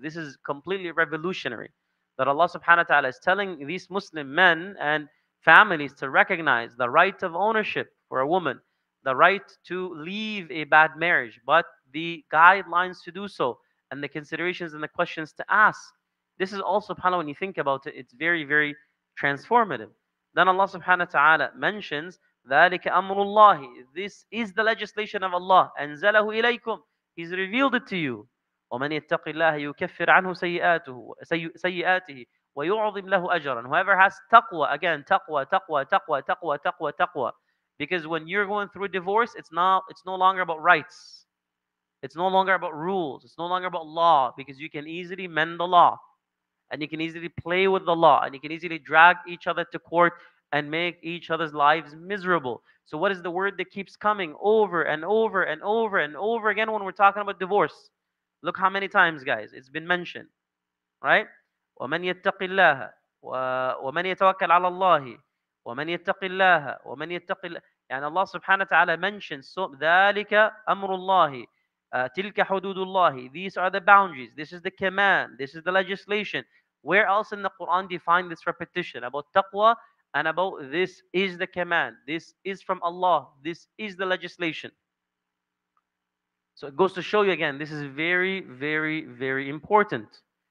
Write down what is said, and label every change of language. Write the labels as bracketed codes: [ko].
[en] This is completely revolutionary. That Allah subhanahu wa ta'ala is telling these Muslim men and families to recognize the right of ownership for a woman, the right to leave a bad marriage, but the guidelines to do so and the considerations and the questions to ask. This is all, subhanAllah, when you think about it, it's very, very transformative. Then Allah subhanahu wa ta'ala mentions, [ar] ذلك أمر الله. [en] This is the legislation of Allah. [ar] أنزله إليكم. [en] He's revealed it to you. [ar] ومن يتق الله يكفر عنه سيئاته سيئاته ويعظم له أجرا. [en] Whoever has taqwa, again, taqwa, taqwa, taqwa, taqwa, taqwa, taqwa. Because when you're going through a divorce, it's no longer about rights. It's no longer about rules. It's no longer about law, because you can easily mend the law. And you can easily play with the law. And you can easily drag each other to court and make each other's lives miserable. So what is the word that keeps coming over and over and over and over again when we're talking about divorce? Look how many times, guys. It's been mentioned. Right? [ar] وَمَنْ يَتَّقِ اللَّهَ وَمَنْ يَتَوَكَّلْ عَلَى اللَّهِ وَمَنْ يَتَّقِ اللَّهَ وَمَنْ يَتَّقِ اللَّهَ. يعني Allah subhanahu wa ta'ala [en] mentions so, [ar] ذَلِكَ أَمْرُ اللَّهِ تِلْكَ حُدُودُ اللَّهِ. [en] These are the boundaries. This is the command. This is the legislation. Where else in the Quran do you find this repetition about taqwa and about this is the command? This is from Allah. This is the legislation. So it goes to show you again, this is very, very, very important.